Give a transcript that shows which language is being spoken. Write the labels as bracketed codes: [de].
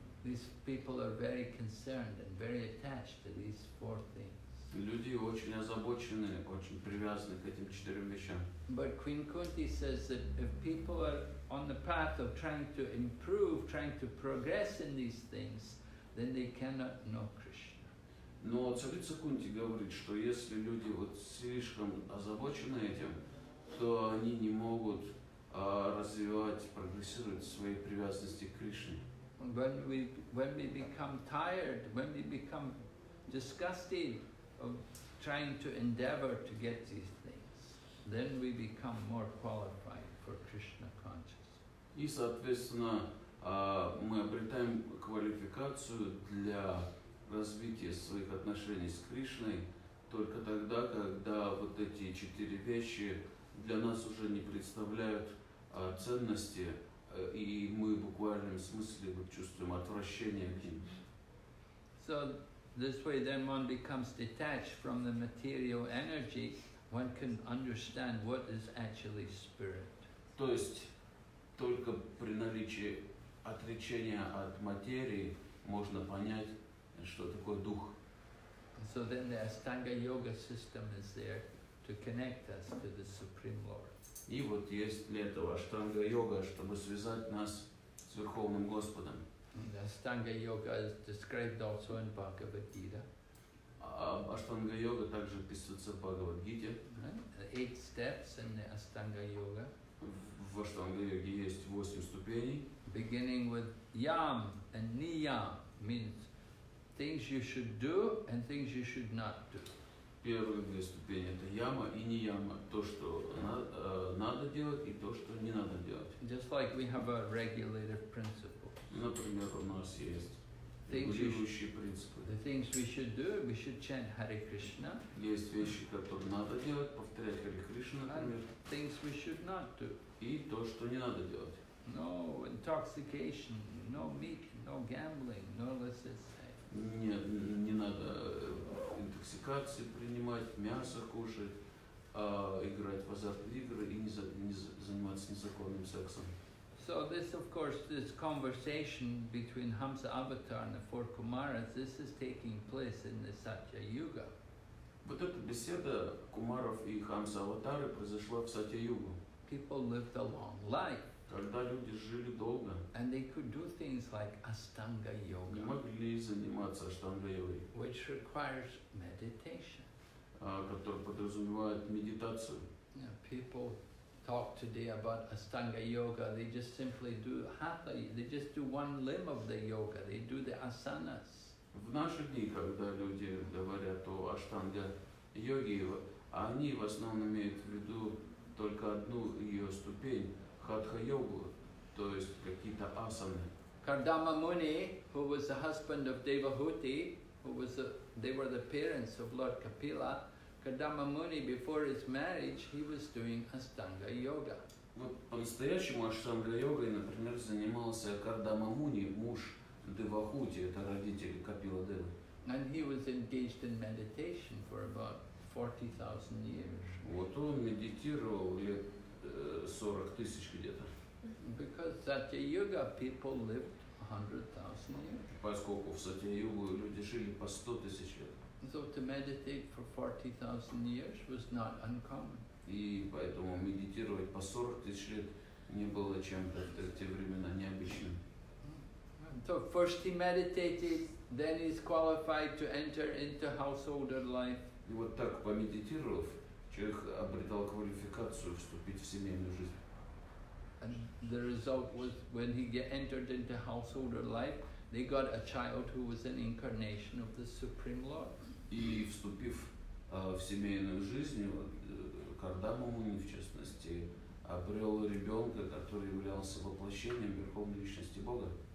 [en] These people are very concerned and very attached to these four things. [ru] Люди очень озабочены, очень привязаны к этим четырем вещам. [en] But Queen Kunti says that if people are on the path of trying to improve, trying to progress in these things, then they cannot know Krishna. [ru] Но царица Кунти говорит, что если люди вот слишком озабочены этим, то они не могут развивать, прогрессировать свои привязанности к Кришне. [en] When we become tired, when we become disgusted of trying to endeavor to get these things, then we become more qualified for Krishna consciousness. [ru] И, соответственно, мы обретаем квалификацию для развития своих отношений с Кришной только тогда, когда вот эти четыре вещи для нас уже не представляют ценности, и мы в буквальном смысле чувствуем отвращение к ним. [en] So, this way then one becomes detached from the material energy, one can understand what is actually spirit. [ru] То есть, только при наличии отречения от материи можно понять, что такое дух. [en] So then the Astanga Yoga system is there to connect us to the Supreme Lord. [ru] И вот есть для этого аштанга-йога, чтобы связать нас с Верховным Господом. [en] Аштанга-йога is described also in Бхагавад-гита. [ru] Аштанга-йога также описывается в Бхагавад-гите. [en] Eight steps in the Аштанга-йога. [ru] В аштанга-йоге есть восемь ступеней. [en] Beginning with yam and niyam means things you should do and things you should not do. [ru] Первые две ступени — это яма и нияма, то, что надо делать и то, что не надо делать. [en] Just like we have a regulative principle. [ru] Например, у нас есть регулирующие принципы. [en] The things we should do, we should chant Hare Krishna. [ru] Есть вещи, которые надо делать, повторять Hare Krishna, например. [en] And things we should not do. [ru] И то, что не надо делать. [en] No intoxication, no meat, no gambling, no illicit sex. [ru] Не надо интоксикации принимать, мясо кушать, играть в азартные игры и не заниматься незаконным сексом. [en] So this, of course, this conversation between Hamsa Avatar and the four Kumaras, this is taking place in the Satya Yuga. [ru] Вот эта беседа Кумаров и Хамса Аватары произошла в Сатья Югу. [en] People lived a long life. [ru] Когда люди жили долго, [en] and they could do things like Astanga Yoga, [ru] могли заниматься Астанга Йогой, [en] which requires meditation, [ru] который подразумевает медитацию. [en] Yeah, people talk today about Astanga Yoga. They just simply do hatha. They just do one limb of the yoga. They do the asanas. [ru] В наши дни, когда люди говорят о Астанга Йоге, они в основном имеют в виду только одну ее ступень. Хатха-йогу, то есть какие-то асаны. [en] Кардама Муни, who was the husband of Девахути, they were the parents of Lord Kapila. Кардама Муни, before his marriage, he was doing Астанга Йога. [ru] Вот по-настоящему Астанга Йогой, например, занимался Кардама Муни, муж Девахути, это родители Капила Девы. [en] And he was engaged in meditation for about 40,000 years. [ru] Вот он медитировал лет 40 тысяч где-то. [en] Because Satya Yuga people lived 100,000 years. [ru] Поскольку в Сатья Югу люди жили по 100 тысяч лет. [en] So to meditate for 40,000 years was not uncommon. [ru] И поэтому медитировать по 40 тысяч лет не было чем-то в те времена необычным. [en] So first he meditated, then he's qualified to enter into householder life. [ru] И вот так помедитировав, человек обретал квалификацию вступить в семейную жизнь. [en] And the result was when he entered into householder life, they got a child who was an incarnation of the Supreme Lord. [ru] И вступив в семейную жизнь, Кардама Муни, в частности, обрел ребенка, который являлся воплощением Верховной Личности Бога.